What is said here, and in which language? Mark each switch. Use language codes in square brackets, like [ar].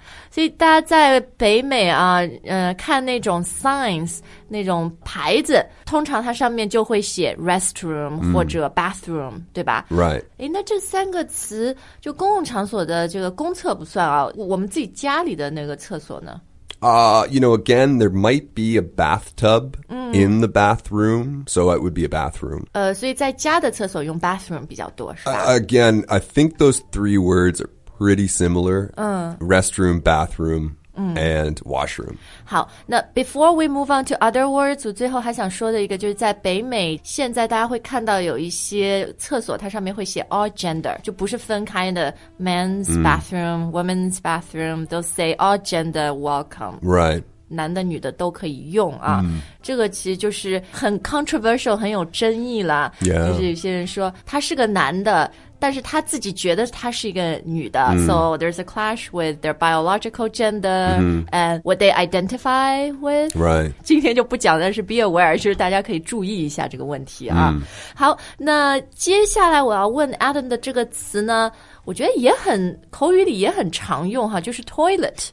[zh] 所以大家在北美啊，看那种 signs 那种牌子，通常它上面就会写 restroom 或者 bathroom，对吧 [en] ？Right。 [zh] 哎，那这三个词就公共场所的这个公厕不算啊，我们自己家里的那个厕所呢？ [en] You know, again, there might be a bathtub in the bathroom, so it would be a bathroom. [zh] 所以在家的厕所用 bathroom 比较多，是吧 [en] ？Again, I think those three words are. Pretty similar, restroom, bathroom, and washroom. [zh] 好，那 [en] before we move on to other words, [zh] 我最后还想说的一个就是在北美，现在大家会看到有一些厕所，它上面会写 all gender, 就不是分开的 [en] men's bathroom, women's bathroom, they'll say all gender welcome. Right. [zh] 男的女的都可以用啊、这个其实就是很 controversial 很有争议了、 [en] yeah. [zh] 就是有些人说他是个男的但是她自己觉得她是一个女的、mm. [en] So there's a clash with their biological gender、mm-hmm. And what they identify with Right [zh] 今天就不讲但是 [en] be aware [zh] 就是大家可以注意一下这个问题啊、mm. 好那接下来我要问 Adam 的这个词呢我觉得也很口语里也很常用哈就是 toilet